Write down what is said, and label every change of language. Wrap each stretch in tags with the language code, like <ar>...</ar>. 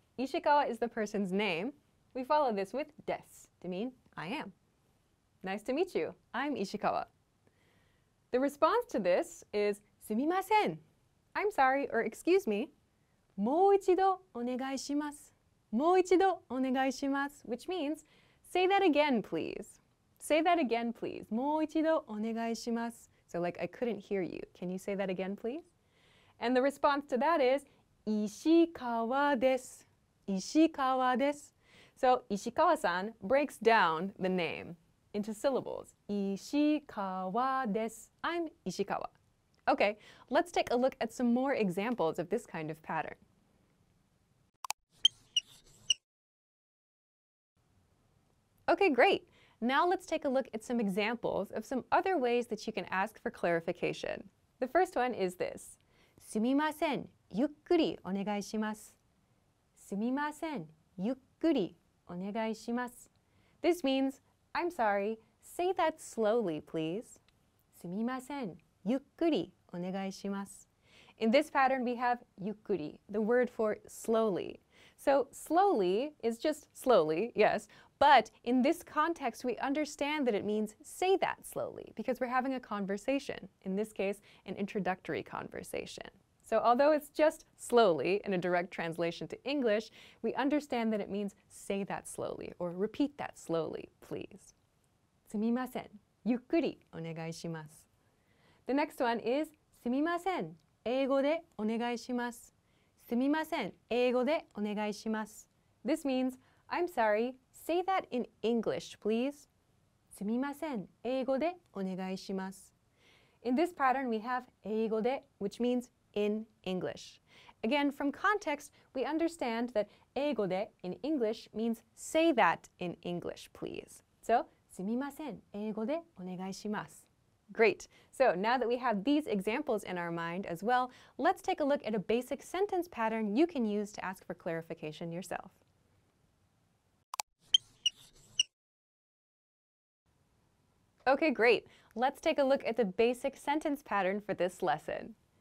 <en>石川 is the person's name. We follow this with, です。To mean, I am. Nice to meet you. I'm 石川。 The response to this is,</en> <ja>すみません。</ja> <en>I'm sorry, or excuse me.</en> <ja>もう一度お願いします。もう一度お願いします</ja> <en>which means say that again please say that again please</en> <ja>もう一度お願いします</ja> <en>so like I couldn't hear you can you say that again please and the response to that is</en> <ja>石川です石川です</ja> <en>so 石川さん breaks down the name into syllables</en> <ja>石川です</ja> <en>I'm 石川 okay let's take a look at some more examples of this kind of patternOkay, great. Now let's take a look at some examples of some other ways that you can ask for clarification. The first one is this.</en> <ja>すみません、ゆっくりお願いします。すみません、ゆっくりお願いします。</ja> <en>This means, I'm sorry, say that slowly, please. すみません、ゆっくりお願いします。 In this pattern, we have ゆっくり, the word for slowly. So slowly is just slowly, yes. But in this context, we understand that it means say that slowly because we're having a conversation, in this case, an introductory conversation. So although it's just slowly in a direct translation to English, we understand that it means say that slowly or repeat that slowly, please.</en> <ja>すみません.ゆっくり お願いします.</ja> <en>The next one is すみません.</en> <ja>英語でお願いします.すみません.英語でお願いします.</ja> <en>This means, I'm sorry, say that in English, please.</en> <ja>すみません.英語でお願いします.</ja> <en>In this pattern, we have 英語で, which means in English. Again, from context, we understand that 英語で in English means say that in English, please.</en> <ja>So, すみません。英語でお願いします.</ja> <en>Great. So now that we have these examples in our mind as well, let's take a look at a basic sentence pattern you can use to ask for clarification yourself. Okay, great. Let's take a look at the basic sentence pattern for this lesson.</en>